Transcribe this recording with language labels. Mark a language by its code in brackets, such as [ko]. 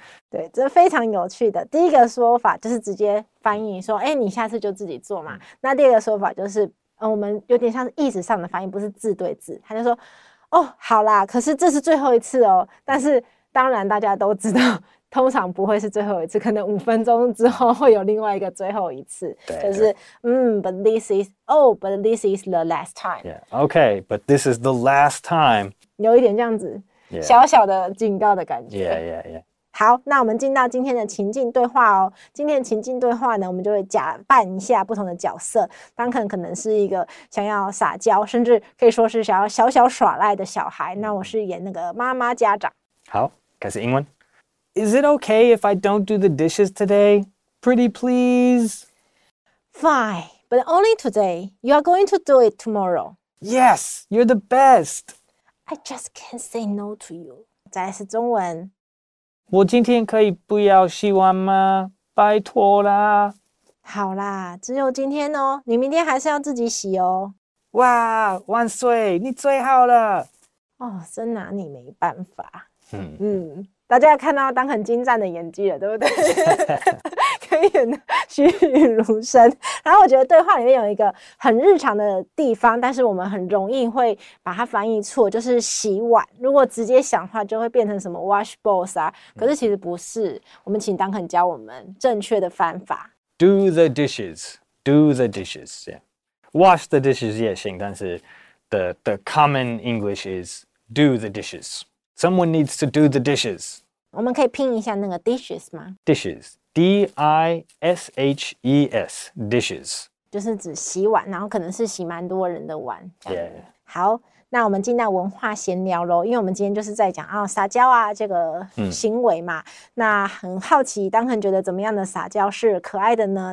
[zh] 对，这非常有趣的第一个说法就是直接翻译说哎，你下次就自己做嘛。那第二个说法就是我们有点像是意思上的翻译，不是字对字，他就说哦好啦，可是这是最后一次哦，但是当然大家都知道通常不会是最后一次，可能五分钟之后会有另外一个最后一次。对，就是 [en] but this is oh but this is the last time。 Yeah, okay but this is the last time， [zh] 有一点这样子、小小的警告的感觉。 yeah, yeah, yeah. 好，那我们进到今天的情境对话哦。今天的情境对话呢，我们就会假扮一下不同的角色。 Duncan 可能是一个想要撒娇甚至可以说是想要小小耍赖的小孩，那我是演那个妈妈家长。好，开始英文。 [en] Is it okay if I don't do the dishes today? Pretty please? Fine, but only today. You are going to do it tomorrow. Yes, you're the best. I just can't say no to you. [zh] 再来是中文。我今天可以不要洗碗吗？拜托啦。好啦，只有今天哦，你明天还是要自己洗哦。哇，万岁，你最好了。哦，真拿你没办法。大家看到当很精湛的演技了，对不对？可以演得栩栩如生。然后我觉得对话里面有一个很日常的地方，但是我们很容易会把它翻译错，就是洗碗。如果直接想的话，就会变成什么 [en] wash bowls [zh] 啊。可是其实不是，我们请当很教我们正确的方法。 [en] Do the dishes, do the dishes. Yeah, wash the dishes [zh] 也行，但是 [en] the common English is do the dishes. Someone needs to do the dishes. [zh] 我们可以拼一下那个 dishes 吗？ [en] Dishes. D-I-S-H-E-S. Dishes. [zh] 就是指洗碗，然后可能是洗蛮多人的碗。 Yeah. 好，那我们进到文化闲聊咯，因为我们今天就是在讲啊撒娇啊这个行为嘛，那很好奇当肯觉得怎么样的撒娇是可爱的呢？